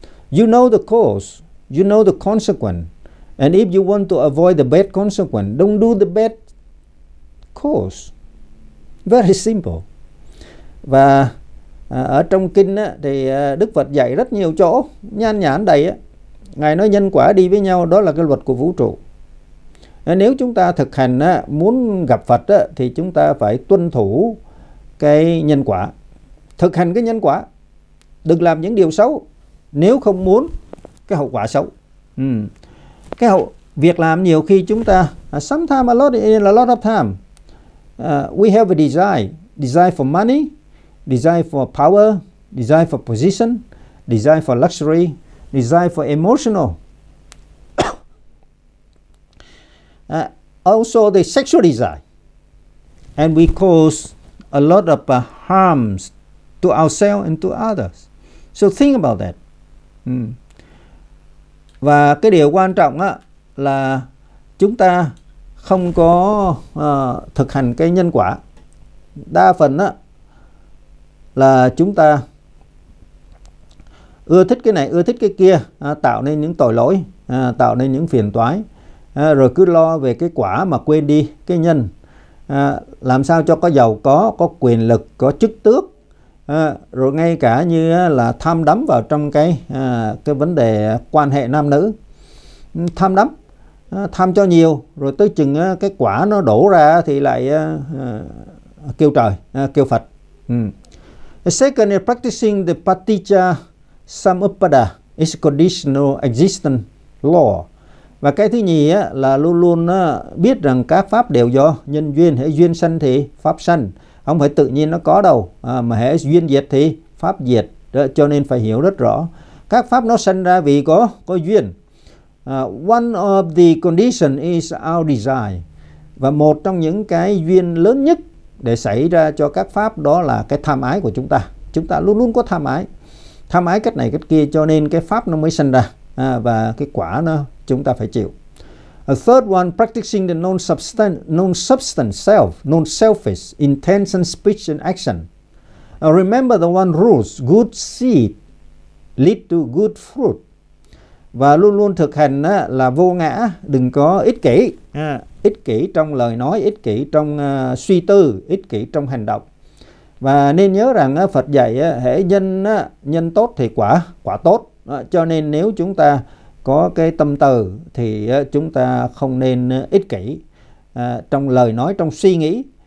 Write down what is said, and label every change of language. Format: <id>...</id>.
<en>You know the cause, you know the consequence, and if you want to avoid the bad consequence, don't do the bad cause. Very simple.</en> <vi>Và ở trong kinh thì Đức Phật dạy rất nhiều chỗ, nhan nhản đầy. Ngài nói nhân quả đi với nhau, đó là cái luật của vũ trụ. Nếu chúng ta thực hành muốn gặp Phật thì chúng ta phải tuân thủ cái nhân quả. Thực hành cái nhân quả. Đừng làm những điều xấu nếu không muốn cái hậu quả xấu. Cái hậu việc làm nhiều khi chúng ta</vi> <en>sometimes a lot of time we have a desire for money, desire for power, desire for position, desire for luxury, desire for emotional. Also the sexual desire, and we cause a lot of harms to ourselves and to others. So think about that.</en> <vi>Và cái điều quan trọng á là chúng ta không có thực hành cái nhân quả. Đa phần á là chúng ta ưa thích cái này, ưa thích cái kia, tạo nên những tội lỗi, tạo nên những phiền toái, rồi cứ lo về cái quả mà quên đi cái nhân. Làm sao cho có giàu có quyền lực, có chức tước, rồi ngay cả như là tham đắm vào trong cái vấn đề quan hệ nam nữ, tham đắm, tham cho nhiều, rồi tới chừng cái quả nó đổ ra thì lại kêu trời, kêu Phật.</vi> <en>The second is practicing the paticca samuppada, its conditional existence law.</en> <vi>Và cái thứ nhì á, là luôn luôn á, biết rằng các pháp đều do nhân duyên, hễ duyên sanh thì pháp sanh, không phải tự nhiên nó có đâu, mà hễ duyên diệt thì pháp diệt. Đó, cho nên phải hiểu rất rõ các pháp nó sanh ra vì có duyên.</vi> <en>One of the condition is our desire,</en> <vi>và một trong những cái duyên lớn nhất để xảy ra cho các pháp đó là cái tham ái của chúng ta. Chúng ta luôn luôn có tham ái cách này cách kia, cho nên cái pháp nó mới sanh ra, và cái quả nó chúng ta phải chịu.</vi> <en>A third one, practicing the non-substance self, non-selfish intention, speech and action. Remember the one rules, good seed lead to good fruit.</en> <vi>Và luôn luôn thực hành là vô ngã, đừng có ích kỷ. Ích kỷ trong lời nói, ích kỷ trong suy tư, ích kỷ trong hành động. Và nên nhớ rằng Phật dạy hễ nhân nhân tốt thì quả tốt. Cho nên nếu chúng ta có cái tâm từ thì chúng ta không nên ích kỷ trong lời nói, trong suy nghĩ.</vi>